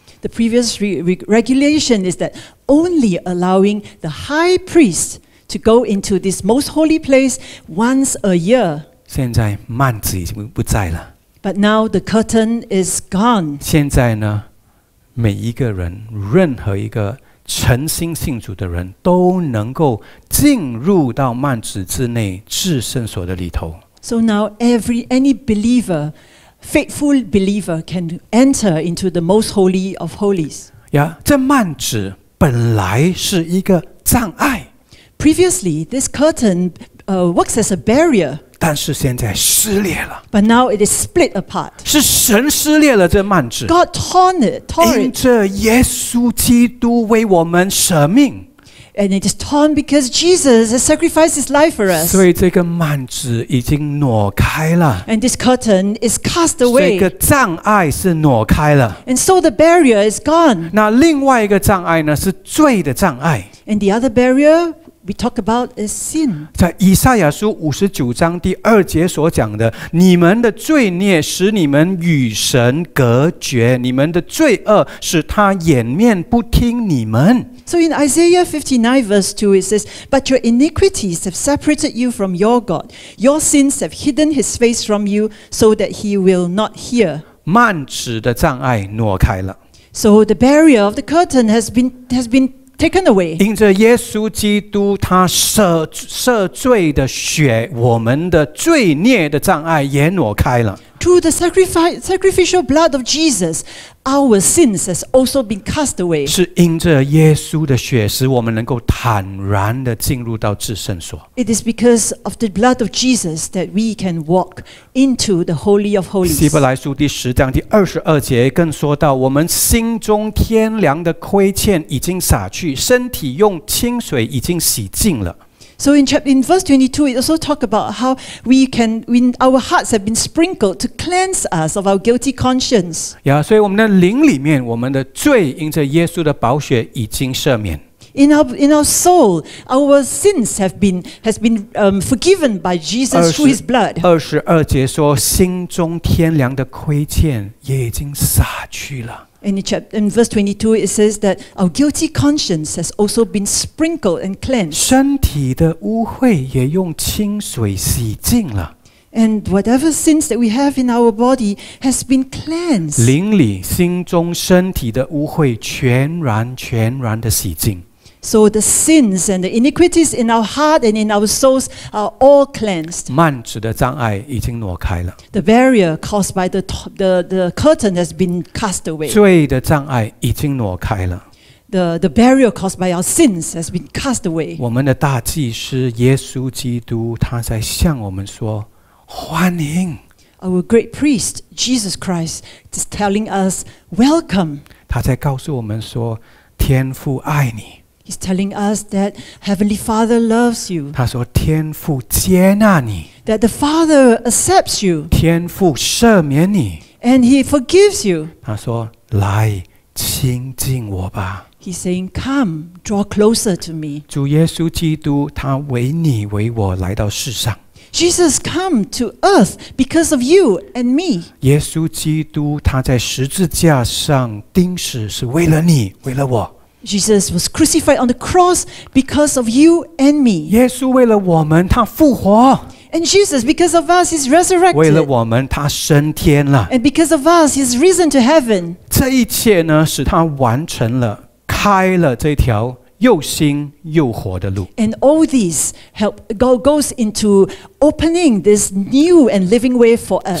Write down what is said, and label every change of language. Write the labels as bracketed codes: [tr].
[en] The previous regulation is that only allowing the high priest to go into this most holy place once a year. [zh] 现在幔子已经不在了。 [en] But now the curtain is gone. [zh] 现在呢，每一个人，任何一个诚心信主的人，都能够进入到幔子之内，至圣所的里头。 [en] So now any believer, faithful believer, can enter into the most holy of holies. [zh] Yeah, 这幔子本来是一个障碍。 [en] Previously, this curtain, works as a barrier. [zh] 但是现在撕裂了。 [en] But now it is split apart. [zh] 是神撕裂了这幔子。 [en] God torn it, tore it. [zh] 因着耶稣基督为我们舍命。 [en] And it is torn because Jesus has sacrificed his life for us. [zh] 所以这个幔子已经挪开了。 [en] And this curtain is cast away. [zh] 这个障碍是挪开了。 [en] And so the barrier is gone. [zh] 那另外一个障碍呢，是罪的障碍。 [en] And the other barrier. We talk about a sin. [zh] 在以赛亚书五十九章第二节所讲的，你们的罪孽使你们与神隔绝，你们的罪恶使他掩面不听你们。 [en] So in Isaiah 59 verse 2 it says, But your iniquities have separated you from your God. Your sins have hidden his face from you so that he will not hear. [zh] 幔子的障碍挪开了。 [en] So the barrier of the curtain has been taken away. [zh] 因着耶稣基督他赦罪的血，我们的罪孽的障碍也挪开了。 [en] through the sacrificial blood of Jesus, our sins has also been cast away. [zh] 是因着耶稣的血，使我们能够坦然地进入到至圣所。 [en] It is because of the blood of Jesus that we can walk into the holy of holies. [zh] 希伯来书第十章第二十二节更说到，我们心中天良的亏欠已经洒去，身体用清水已经洗净了。 [en] So in verse 22, it also talks about how our hearts have been sprinkled to cleanse us of our guilty conscience. [zh] Yeah, 所以我们的灵里面，我们的罪因着耶稣的宝血已经赦免。 [en] In our soul, our sins has been forgiven by Jesus through His blood. [zh] 二十二节说，心中天良的亏欠也已经洒去了。 [en] In verse 22, it says that our guilty conscience has also been sprinkled and cleansed. [zh] 身体的污秽也用清水洗净了。 [en] And whatever sins that we have in our body has been cleansed. [zh] 灵里、心中、身体的污秽全然、全然的洗净。 [en] So the sins and the iniquities in our heart and in our souls are all cleansed. [zh] 幔子的障碍已经挪开了。 [en] The barrier caused by the curtain has been cast away. [zh] 罪的障碍已经挪开了。 [en] The barrier caused by our sins has been cast away. [zh] 我们的大祭司耶稣基督，他在向我们说，欢迎。 [en] Our great priest Jesus Christ is telling us, welcome. [zh] 他在告诉我们说，天父爱你。 [en] He's telling us that Heavenly Father loves you. [zh] 他说天父接纳你。 [en] That the Father accepts you. [zh] 天父赦免你。 [en] And He forgives you. [zh] 他说来亲近我吧。 [en] He's saying, come, draw closer to me. [zh] 主耶稣基督他为你为我来到世上。 [en] Jesus come to earth because of you and me. [zh] 耶稣基督他在十字架上钉死是为了你，为了我。 [en] Jesus was crucified on the cross because of you and me. [zh] 耶稣为了我们，他复活。 [en] And Jesus, because of us, he's resurrected. [zh] 为了我们，他升天了。 [en] And because of us, he's risen to heaven. [zh] 这一切呢，使他完成了，开了这条又新又活的路。 [en] And all these help goes into opening this new and living way for us.